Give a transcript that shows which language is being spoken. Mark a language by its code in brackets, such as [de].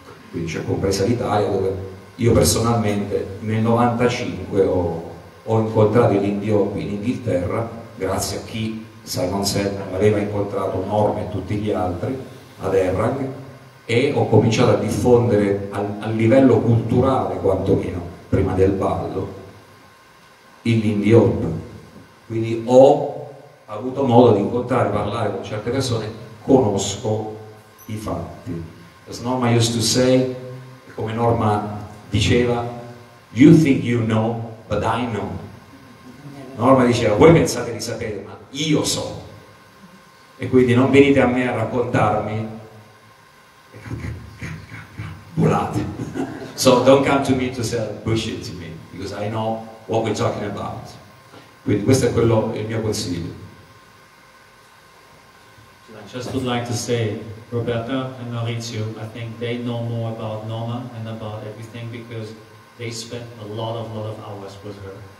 [it] quindi c'è compresa l'Italia, dove io personalmente nel 95 ho incontrato l'indio qui in Inghilterra, grazie a chi Simon Sedman aveva incontrato, Norma e tutti gli altri ad Errang, e ho cominciato a diffondere a livello culturale quantomeno, prima del ballo, l'indie hop. Quindi ho avuto modo di incontrare, parlare con certe persone, conosco i fatti. [en] As Norma used to say, [it] come Norma diceva, [en] you think you know, but I know. [it] Norma diceva, voi pensate di sapere, ma io so. E quindi non venite a me a raccontarmi. Bullate. [en] So don't come to me to sell bullshit to me, because I know what we're talking about. [it] Quindi questo è quello, il mio consiglio. [en] I just would like to say, Roberta and Maurizio, I think they know more about Norma and about everything because they spent a lot of hours with her.